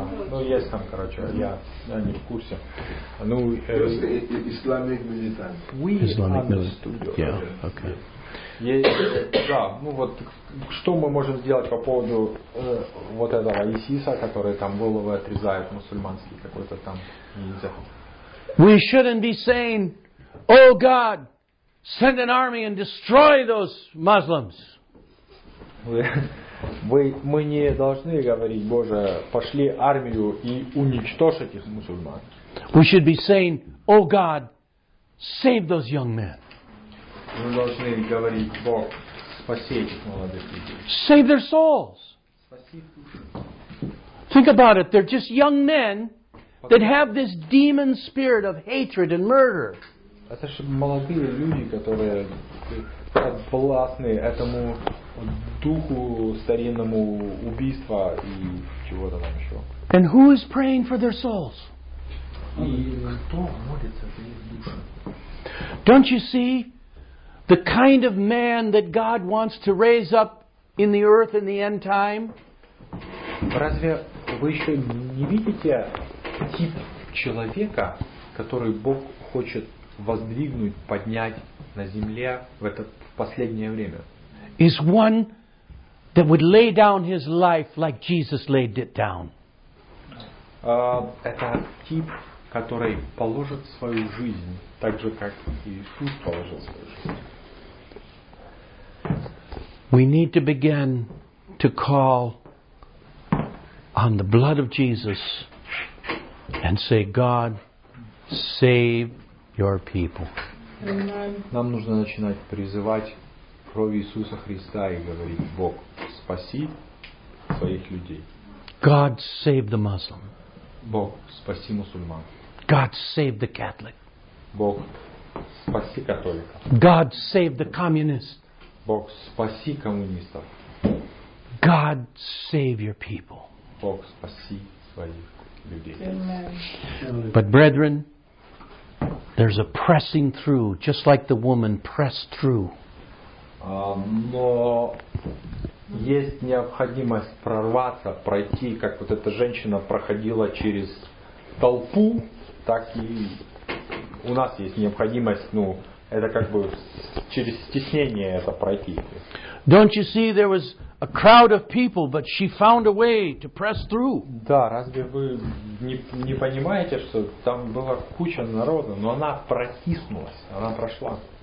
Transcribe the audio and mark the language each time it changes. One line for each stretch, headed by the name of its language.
Russian: Ну есть там, короче, я не в курсе. Ну
English: исламик милитант. Исламик милитант. Yeah, okay.
Russian: Да, ну вот что мы можем сделать по поводу вот этого ИСИСа, который там головы отрезает мусульманский какой-то там.
English: We shouldn't be saying, "Oh God, send an army and destroy those Muslims."
Russian: Мы не должны говорить, Боже, пошли армию и уничтожь этих мусульман.
English: We should be saying, "Oh God, save those young men."
Russian: Мы должны говорить, Бог, спаси этих молодых людей.
English: Save their souls.
Russian: Спаси их души.
English: Think about it. They're just young men that have this demon spirit of hatred and murder.
Russian: Это же молодые люди, которые подвластны этому духу старинному убийства и чего-то там еще.
English: And who is praying for their souls?
Russian: И кто молится за их души?
English: Don't you see the kind of man that God wants to raise up in the earth in the end time?
Russian: Разве вы еще не видите тип человека, который Бог хочет воздвигнуть, поднять на земле в это последнее время?
English: Is one that would lay down his life like Jesus laid it down.
Russian: Это тип, который положит свою жизнь, так же, как Иисус положил свою жизнь.
English: We need to begin to call on the blood of Jesus and say, God, save your people.
Russian: Нам нужно начинать призывать кровь Иисуса Христа и говорит: Бог, спаси своих людей.
English: God save the Muslim.
Russian: Бог, спаси мусульман.
English: God save the Catholic.
Russian: Бог, спаси католика.
English: God save the communist.
Russian: Бог, спаси коммунистов.
English: God save your people.
Russian: Бог, спаси своих людей.
English: But brethren, there's a pressing through, just like the woman pressed through.
Russian: Но есть необходимость прорваться, пройти, как вот эта женщина проходила через толпу, так и у нас есть необходимость, ну, это как бы через стеснение это пройти.
English: Don't you see there was a crowd of people, but she found a way to press through.
Russian: Да, разве вы не понимаете, что там была куча народа, но она протиснулась, она прошла.